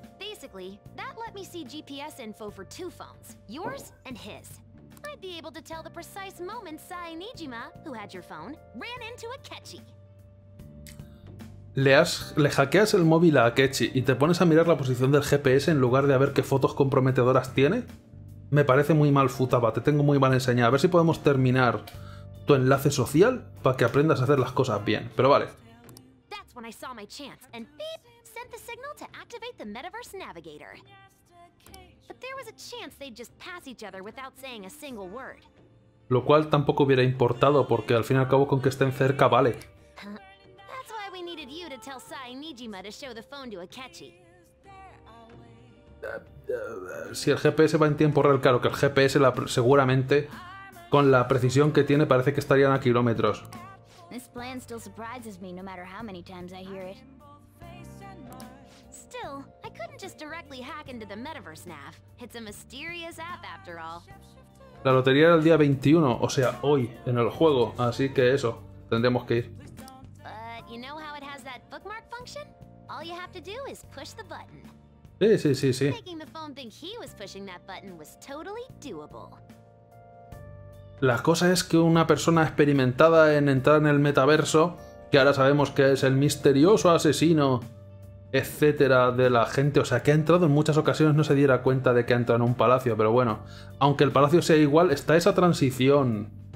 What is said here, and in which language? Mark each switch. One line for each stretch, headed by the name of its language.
English: Basically, that let me see GPS info for two phones, yours and his. I'd be able to tell the precise moment Sae Nijima, who had your phone, ran into Akechi.
Spanish: Le hackeas el móvil a Akechi y te pones a mirar la posición del GPS en lugar de a ver qué fotos comprometedoras tiene. Me parece muy mal, Futaba, te tengo muy mal enseñado. A ver si podemos terminar tu enlace social para que aprendas a hacer las cosas bien. Pero vale.
English: That's when I saw my chance and beep sent the signal to activate the Metaverse Navigator. But there was a chance they'd just pass each other without saying a single word.
Spanish: Lo cual tampoco hubiera importado porque al fin y al cabo con que estén cerca vale.
English: That's why we needed you to tell Sae Nijima to show the phone to Akechi.
Spanish: Si el GPS va en tiempo real, claro que el GPS seguramente con la precisión que tiene parece que estarían a kilómetros.
English: This plan still surprises me, no matter how many times I hear it. Still, I couldn't just directly hack into the Metaverse Nav. It's a mysterious app, after all.
Spanish: La lotería era el día 21, o sea, hoy, en el juego, así que eso, tendremos que ir.
English: But you know how it has that bookmark function? All you have to do is push the button. Sí. Making the phone think he was pushing that button was totally doable.
Spanish: La cosa es que una persona experimentada en entrar en el metaverso, que ahora sabemos que es el misterioso asesino, etcétera, de la gente, o sea, que ha entrado en muchas ocasiones, no se diera cuenta de que ha entrado en un palacio, pero bueno, aunque el palacio sea igual, está esa transición.